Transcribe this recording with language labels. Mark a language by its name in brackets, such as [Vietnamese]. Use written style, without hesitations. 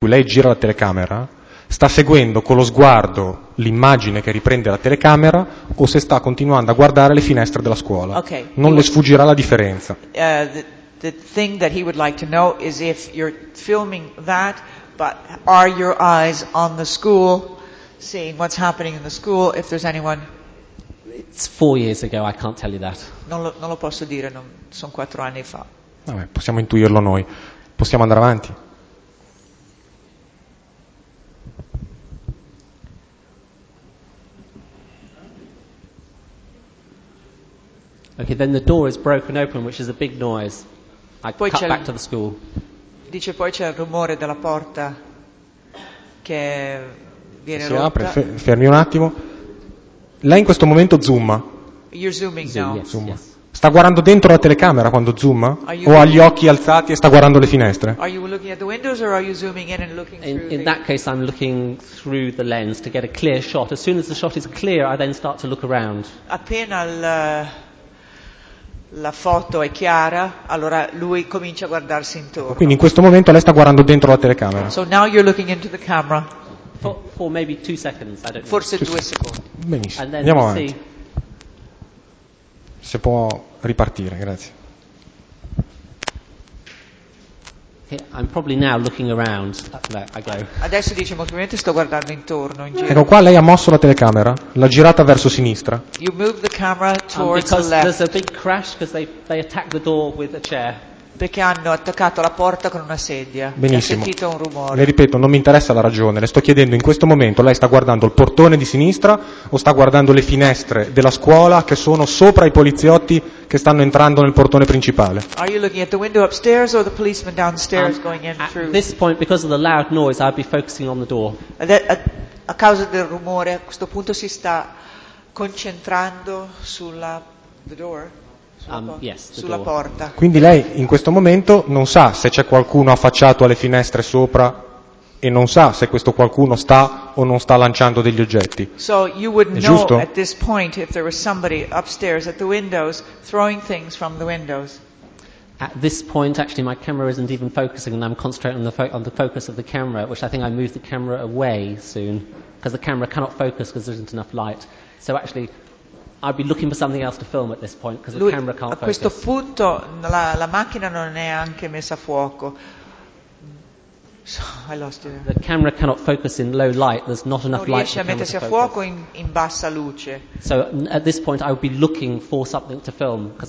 [Italian] Lei gira la telecamera, sta seguendo con lo sguardo l'immagine che riprende la telecamera o se sta continuando a guardare le finestre della scuola. Okay. Non le sfuggirà la differenza. [English] The thing that he would like to know is if you're filming that, but are your eyes on the school, seeing what's happening in the school, if there's anyone? It's 4 years ago, I can't tell you that. [Italian] Non lo posso dire, non sono 4 anni fa. Vabbè, possiamo intuirlo noi. Possiamo andare avanti. [English] Okay, then the door is broken open, which is a big noise. [Italian] I poi [English] cut back to the school. [Italian] Dice poi c'è il rumore della porta che viene rotta. Si apre, fermi un attimo. Lei in questo momento zooma. [English] You're zooming now. Yes, [Italian] zooma. [English] Yes. [Italian] Sta guardando dentro la telecamera quando zooma? O ha gli occhi alzati e sta guardando le finestre? [English] Are you looking at the windows or are you zooming in and looking through? In that case I'm looking through the lens to get a clear shot. As soon as the shot is clear I then start to look around. [Italian] Appena la foto è chiara, allora lui comincia a guardarsi intorno. Quindi in questo momento lei sta guardando dentro la telecamera. [English] So now you're looking into the camera. For maybe 2 seconds, I don't know. [Italian] Forse 2 secondi. Benissimo. [English] And then [Italian] andiamo avanti. Se può ripartire, grazie. [English] Okay, I'm probably now looking around. I go. [Italian] Adesso dice molto probabilmente sto guardando intorno in giro. Ecco qua, lei ha mosso la telecamera, l'ha girata verso sinistra. [English] You move the camera towards because the left. There's a big crash because they attacked the door with a chair. [Italian] Perché hanno attaccato la porta con una sedia. Benissimo. Ha sentito un rumore. Le ripeto, non mi interessa la ragione. Le sto chiedendo in questo momento, lei sta guardando il portone di sinistra o sta guardando le finestre della scuola che sono sopra i poliziotti che stanno entrando nel portone principale? [English] Are you looking at the window upstairs or the policeman downstairs going in through? At this point, because of the loud noise, I'd be focusing on the door. [Italian] A causa del rumore, a questo punto si sta concentrando sulla [English] the door. [Italian] Sulla porta. Quindi lei in questo momento non sa se c'è qualcuno affacciato alle finestre sopra e non sa se questo qualcuno sta o non sta lanciando degli oggetti. [English] So you would know at this point if there was somebody upstairs at the windows throwing things from the windows. At this point actually my camera isn't even focusing and I'm concentrating on the focus of the camera, which I think I move the camera away soon because the camera cannot focus because there isn't enough light. So actually I'd be looking for something else to film at this point because the camera can't focus. [Italian] A questo punto la macchina non è anche messa a fuoco. [English] So, I lost it. The camera cannot focus in low light. There's not enough [Italian] non Non riesce a mettersi a fuoco in bassa luce. [English] So at this point I would be looking for something to film because